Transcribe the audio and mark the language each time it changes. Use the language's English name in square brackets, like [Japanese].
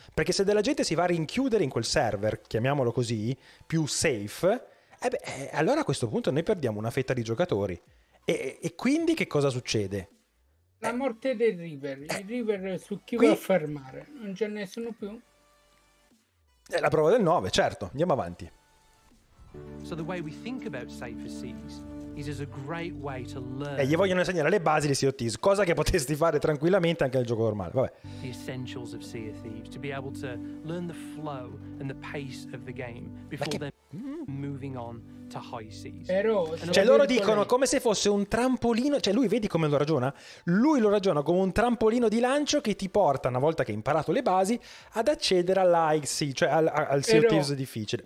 [Italian] Perché se della gente si va a rinchiudere in quel server, chiamiamolo così, più safe, allora a questo punto noi perdiamo una fetta di giocatori. E quindi che cosa succede? La morte del river, il river su chi qui... va a fermare, non ce ne sono più. È la prova del 9, certo, andiamo avanti. [English] So the way we think about safer seas is as a great way to learn. [Italian] Gli vogliono insegnare le basi di Sea of Thieves, cosa che potresti fare tranquillamente anche nel gioco normale, vabbè. [English] The essentials of Sea of Thieves to be able to learn the flow and the pace of the game before then moving on. [Italian] Però, cioè loro dicono come se fosse un trampolino, cioè lui, vedi come lo ragiona? Lui lo ragiona come un trampolino di lancio che ti porta, una volta che hai imparato le basi, ad accedere all'IC, cioè al Sea of Thieves difficile.